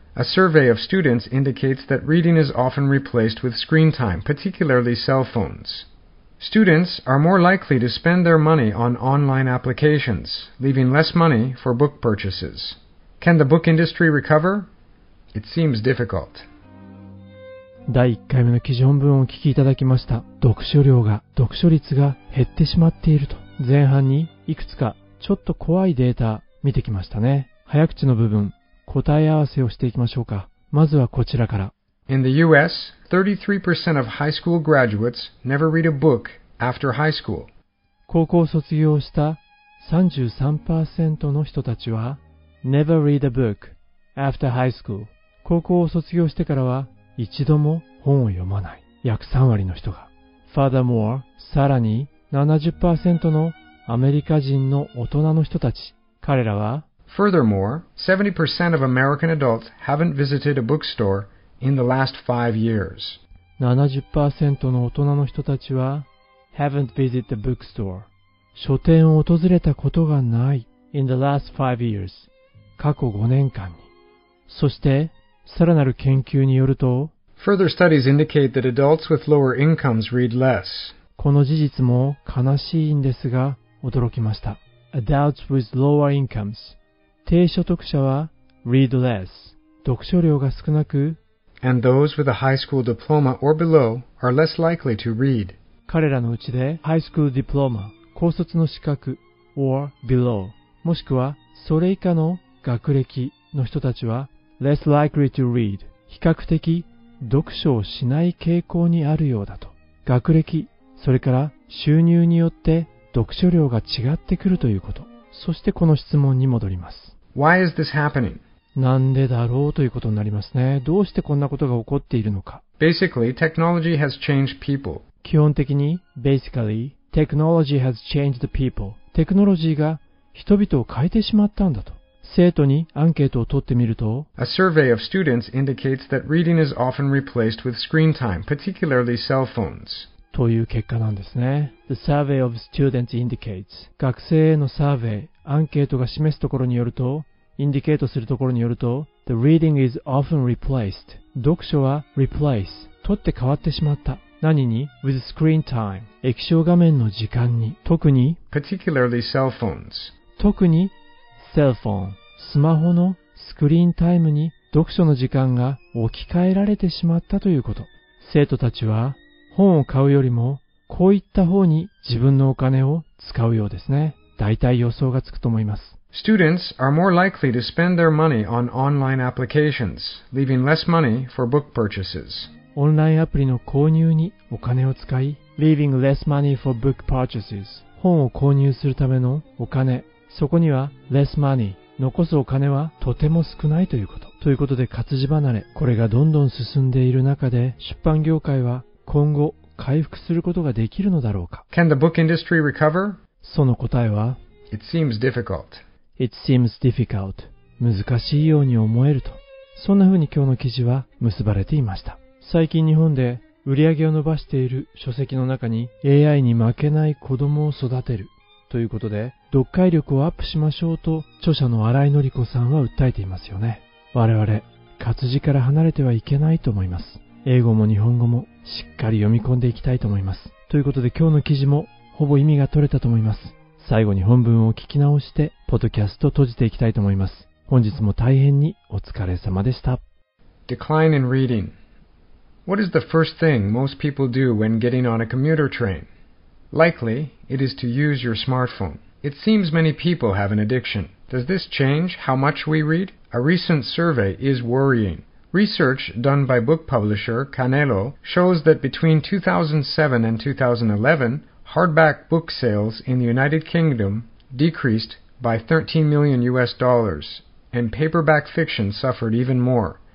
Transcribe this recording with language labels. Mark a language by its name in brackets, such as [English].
[English] A survey of students indicates that reading is often replaced with screen time, particularly cell phones. Students are more likely to spend their money on online applications, leaving less money for book purchases. Can the book industry recover? It seems difficult. [Japanese] 第1回目の記事本文をお聞きいただきました。読書率が減ってしまっていると。前半にいくつかちょっと怖いデータ見てきましたね。早口の部分、答え合わせをしていきましょうか。まずはこちらから。 [English] In the US, 33% of high school graduates never read a book after high school. [Japanese] 高校卒業した 33% の人たちは [English] Never read a book after high school. [Japanese] 高校を卒業してからは一度も本を読まない。約3割の人が。 [English] Furthermore, [Japanese] さらに 70% のアメリカ人の大人の人たち、彼らは [English] Furthermore, 70% of American adults haven't visited a bookstore in the last 5 years. [Japanese] 70% の大人の人たちは [English] haven't visited a bookstore. [Japanese] 書店を訪れたことがない。 [English] In the last 5 years. [Japanese] 過去5年間に。そしてさらなる研究によると [English] Further studies indicate that adults with lower incomes read less. [Japanese] この事実も悲しいんですが驚きました。 [English] Adults with lower incomes. [Japanese] 低所得者は [English] read less. [Japanese] 読書量が少なく [English] And those with a high school diploma or below are less likely to read. [Japanese] 彼らのうちで [English] high school diploma [Japanese] 高卒の資格 [English] or below [Japanese] もしくはそれ以下の学歴の人たちは [English] less likely to read [Japanese] 比較的読書をしない傾向にあるようだと学歴それから収入によって読書量が違ってくるということそしてこの質問に戻ります [English] Why is this happening? [Japanese] なんでだろうということになりますねどうしてこんなことが起こっているのか [English] Basically, technology has changed people. [Japanese] 基本的に [English] Basically, technology has changed people. [Japanese] テクノロジーが人々を変えてしまったんだと生徒にアンケートを取ってみると [English] A survey of students indicates that reading is often replaced with screen time, particularly cell phones. [Japanese] という結果なんですね。 [English] The survey of students indicates [Japanese] 学生へのサーベイ、アンケートが示すところによると、インディケートするところによると [English] The reading is often replaced. [Japanese] 読書は replace 取って変わってしまった。何に [English] With screen time [Japanese] 液晶画面の時間に特に [English] Particularly cell phones [Japanese] 特にセルフォン、スマホのスクリーンタイムに読書の時間が置き換えられてしまったということ。生徒たちは本を買うよりもこういった方に自分のお金を使うようですね。大体予想がつくと思います。 [English] Students are more likely to spend their money on online applications, leaving less money for book purchases. [Japanese] オンラインアプリの購入にお金を使い、 [English] leaving less money for book purchases. [Japanese] 本を購入するためのお金。そこには [English] less money [Japanese] 残すお金はとても少ないということということで活字離れこれがどんどん進んでいる中で出版業界は今後回復することができるのだろうか [English] Can the book industry recover? [Japanese] その答えは [English] It seems difficult It seems difficult [Japanese] 難しいように思えるとそんな風に今日の記事は結ばれていました最近日本で売り上げを伸ばしている書籍の中に AI に負けない子供を育てるということで読解力をアップしましょうと著者の荒井紀子さんは訴えていますよね我々活字から離れてはいけないと思います英語も日本語もしっかり読み込んでいきたいと思いますということで今日の記事もほぼ意味が取れたと思います最後に本文を聞き直してポッドキャスト閉じていきたいと思います本日も大変にお疲れ様でした [English] Decline in reading What is the first thing most people do when getting on a commuter train? Likely, it is to use your smartphone. It seems many people have an addiction. Does this change how much we read? A recent survey is worrying. Research done by book publisher Canelo shows that between 2007 and 2011, hardback book sales in the United Kingdom decreased by $13 million, and paperback fiction suffered even more.